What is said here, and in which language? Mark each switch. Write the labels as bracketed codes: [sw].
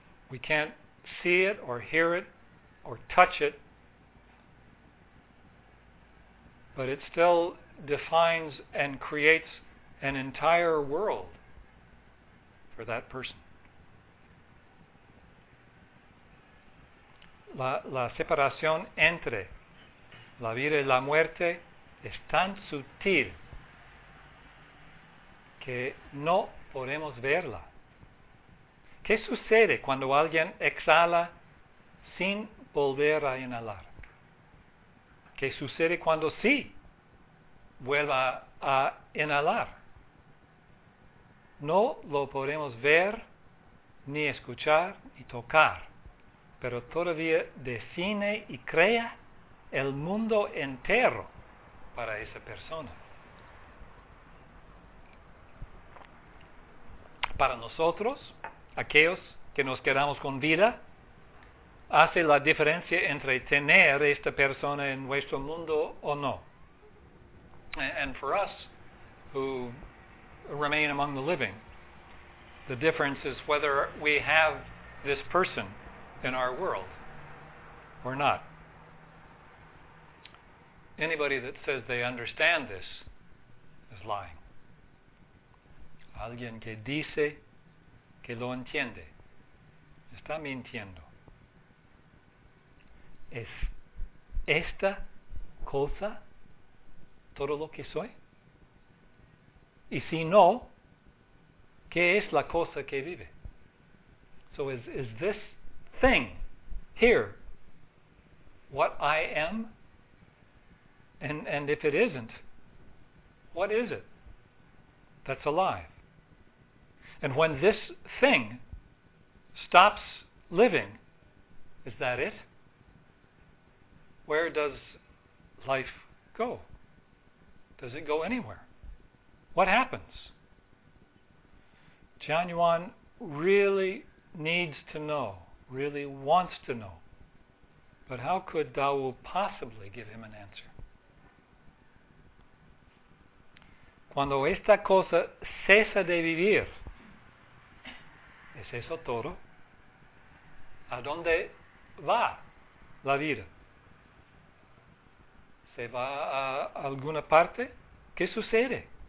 [en] We can't see it or hear it or touch it, but it still defines and creates an entire world for that person. [es] La separación entre la vida y la muerte es tan sutil que no podemos verla. ¿Qué sucede cuando alguien exhala sin volver a inhalar? ¿Qué sucede cuando sí vuelva a inhalar? No lo podemos ver, ni escuchar, ni tocar, pero todavía define y crea el mundo entero para esa persona. Para nosotros, aquellos que nos quedamos con vida, hace la diferencia entre tener esta persona en nuestro mundo o no. [en] And for us who remain among the living, the difference is whether we have this person in our world or not. Anybody that says they understand this is lying. [es] Alguien que dice que lo entiende está mintiendo. ¿Es esta cosa todo lo que soy? Y si no, ¿qué es la cosa que vive? [en] So is this thing here what I am? And if it isn't, what is it that's alive? And when this thing stops living, is that it? Where does life go? Does it go anywhere? What happens? Chan Yuan really needs to know, really wants to know, but how could Dao possibly give him an answer? [es] Cuando esta cosa cesa de vivir, ¿es eso todo? ¿A dónde va la vida? ¿Se va a alguna parte? ¿Qué sucede?